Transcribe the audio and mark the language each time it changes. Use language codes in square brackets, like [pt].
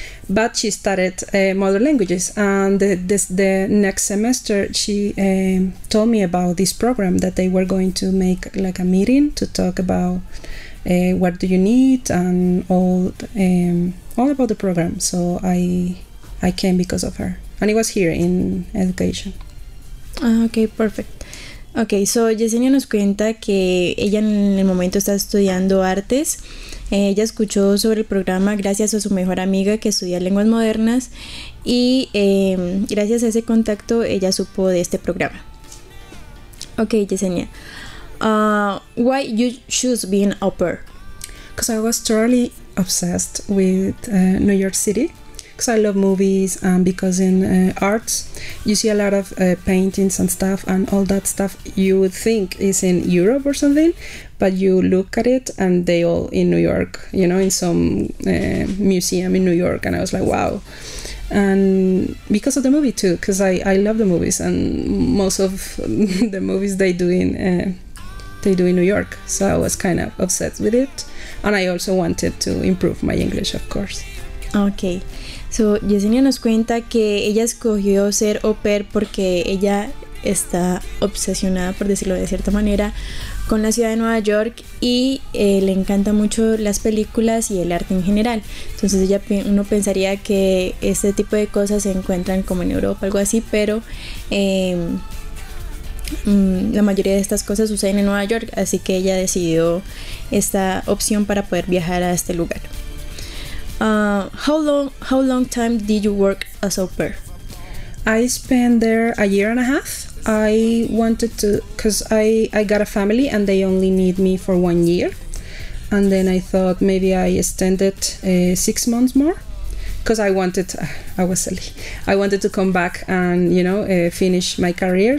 [en] But she started mother languages, and the next semester she told me about this program that they were going to make like a meeting to talk about what do you need and all about the program. So I came because of her, and it was here in education. Okay, perfect. [es] Okay, so Yesenia nos cuenta que ella en el momento está estudiando artes. Ella escuchó sobre el programa gracias a su mejor amiga que estudia lenguas modernas y gracias a ese contacto ella supo de este programa. [en] Okay, Yesenia, why you choose being au pair? because I was totally obsessed with New York City, because I love movies, and because in art you see a lot of paintings and stuff, and all that stuff you would think is in Europe or something, but you look at it and they all in New York, you know, in some museum in New York, and I was like, wow. And because of the movie too, because I love the movies, and most of the movies they do in New York, so I was kind of obsessed with it, and I also wanted to improve my English, of course. [es] Okay, so Yesenia nos cuenta que ella escogió ser au pair porque ella está obsesionada, por decirlo de cierta manera, con la ciudad de Nueva York, y le encanta mucho las películas y el arte en general. Entonces ella, uno pensaría que este tipo de cosas se encuentran como en Europa, algo así, pero la mayoría de estas cosas suceden en Nueva York, así que ella decidió esta opción para poder viajar a este lugar. [en] How long time did you work as au pair? I spent there a year and a half. I wanted to, because I got a family and they only need me for 1 year. And then I thought maybe I extend it 6 months more, because I wanted to come back and, you know, finish my career.